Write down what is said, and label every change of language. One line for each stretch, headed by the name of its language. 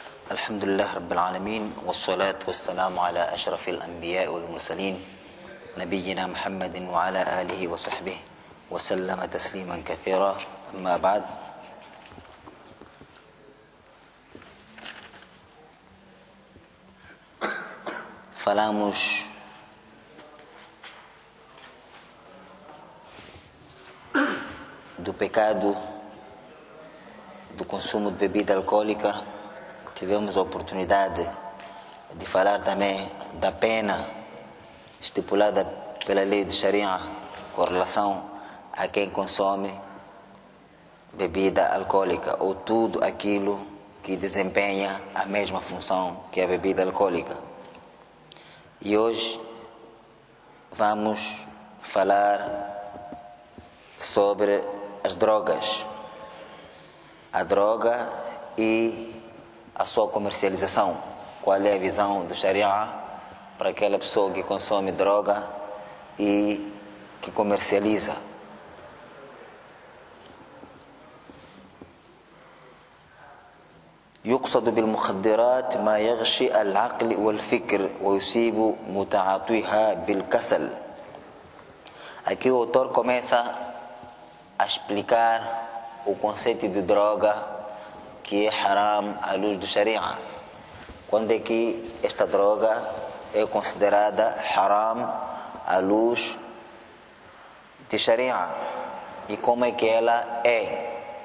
Arabic: الحمد لله رب العالمين والصلاة والسلام على أشرف الأنبياء والمرسلين نبينا محمد وعلى آله وصحبه وسلم تسليما كثيرا أما بعد فلاموش
Portuguese: do pecado do consumo de bebida alcoólica. Tivemos a oportunidade de falar também da pena estipulada pela lei de Sharia com relação a quem consome bebida alcoólica ou tudo aquilo que desempenha a mesma função que a bebida alcoólica. E hoje vamos falar sobre as drogas, a droga e a sua comercialização. Qual é a visão do Sharia para aquela pessoa que consome droga e que comercializa?
Arabic: يقصد بالمخدرات ما يغشي العقل والفكر ويصيب متعاطيها بالكسل.
Portuguese: Aqui o autor começa a explicar o conceito de droga que é haram à luz do Sharia. Quando é que esta droga é considerada haram à luz de Sharia e como é que ela é?